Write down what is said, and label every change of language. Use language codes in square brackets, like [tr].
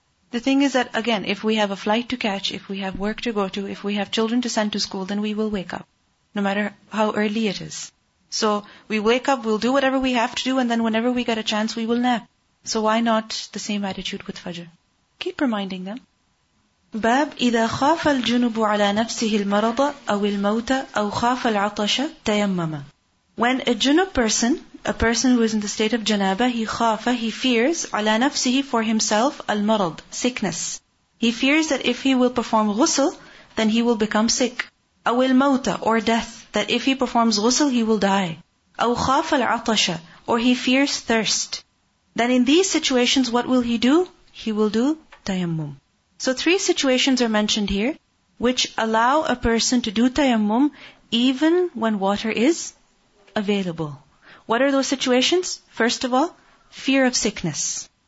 [en] The thing is that, again, if we have a flight to catch, if we have work to go to, if we have children to send to school, then we will wake up, no matter how early it is. So we wake up, we'll do whatever we have to do, and then whenever we get a chance, we will nap. So why not the same attitude with Fajr? Keep reminding them. [ar] باب إذا خاف الجنب على نفسه المرض أو الموت أو خاف العطش تيمم. [en] When a junub person, a person who is in the state of janaba, he خاف, he fears, [ar] على نفسه, [en] for himself, [ar] المرض, [en] sickness. He fears that if he will perform غسل, then he will become sick. [ar] أو الموت, [en] or death, that if he performs غسل, he will die. [ar] أو خاف العطش, [en] or he fears thirst. Then in these situations, what will he do? He will do tayammum. So three situations are mentioned here, which allow a person to do tayammum even when water is available. What are those situations? First of all, fear of sickness.